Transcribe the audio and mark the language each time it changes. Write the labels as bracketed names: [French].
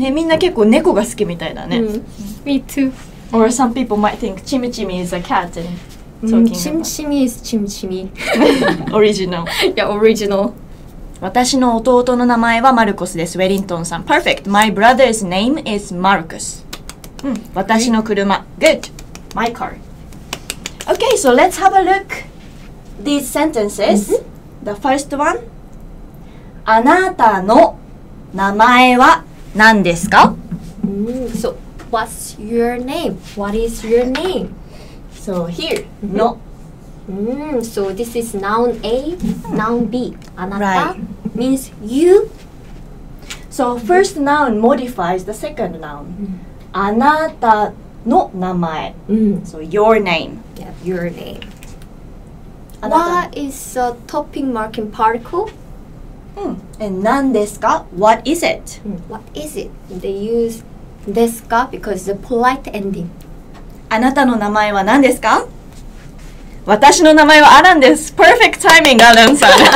[Japanese] ね、みんな結構猫が好きみたいだね。 [English] Me too. Or some people might think Chimi Chimi is a cat and talking about. Chimi Chimi is Chimi Chimi. Original. Yeah, original. [Japanese] 私の弟の名前はマルコスです。ウェリントンさん。 [English] Perfect. My brother's name is Marcus. [Japanese] 私の車。 [English] Good. My car. Okay, so let's have a look these sentences. The first one, [Japanese] あなたの名前は何ですか? [English] So, what's your name? What is your name? So, here, の。 So, this is noun A, noun B. あなた、right. means you. So, first noun modifies the second noun. [Japanese] あなたの名前。 [English] So, your name. Yeah, your name. わis a topping marking particle. And [Japanese] なんですか? [English] What is it? What is it? They use ですか because it's a polite ending. [Japanese] あなたの名前は何ですか?私の名前はアランです. [English] Perfect timing, [Japanese] アランさん.